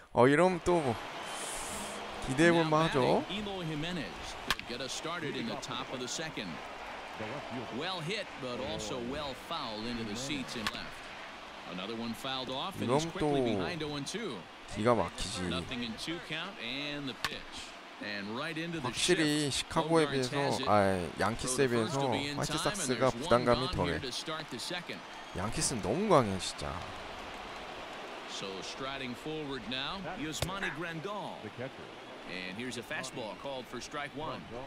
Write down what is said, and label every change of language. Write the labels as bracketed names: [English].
[Korean] 이러면 또 뭐 기대해볼 만하죠. [English] Eloy Jimenez will get us started in the top of the second. Well hit, but also well fouled into the seats and left. Another one fouled off, and he's quickly behind 0-2. [Korean] 기가 막히지. [English] Nothing in two count, and the pitch. And right into the [Korean] 확실히 시카고에 비해서, 양키스에 비해서 화이트삭스가 부담감이 덜해. 양키스는 너무 강해 진짜. [English] So striding forward now, Yosemite Grandal. And here's a fastball called for strike one.